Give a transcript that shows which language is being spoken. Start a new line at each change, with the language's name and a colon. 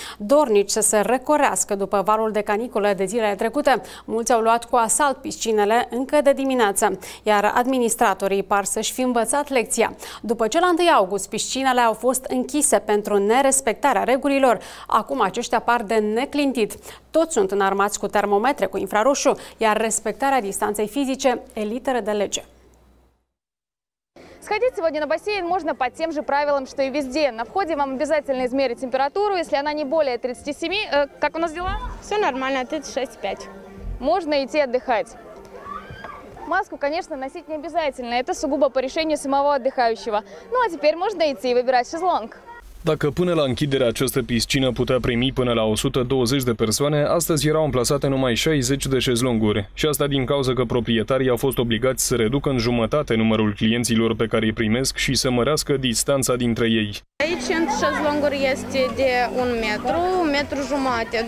Romanian: Dornici să se recorească după valul de caniculă de zilele trecute, mulți au luat cu asalt piscinele încă de dimineață, iar administratorii par să-și fi învățat lecția. După ce la 1 august piscinele au fost închise pentru nerespectarea regulilor, acum aceștia par de neclintit. Toți sunt înarmați cu termometre cu infraroșu, iar respectarea distanței fizice literă de lege.
Russian: Сходить сегодня на бассейн можно по тем же правилам, что и везде. На входе вам обязательно измерить температуру, если она не более 37. Как у нас дела? Все нормально, 36,5. Можно идти отдыхать. Маску, конечно, носить не обязательно. Это сугубо по решению самого отдыхающего. Ну а теперь можно идти и выбирать шезлонг.
Romanian: Dacă până la închidere această piscină putea primi până la 120 de persoane, astăzi erau amplasate numai 60 de șezlonguri. Și asta din cauza că proprietarii au fost obligați să reducă în jumătate numărul clienților pe care îi primesc și să mărească distanța dintre ei. Aici în șezlonguri este de un metru, metru jumate.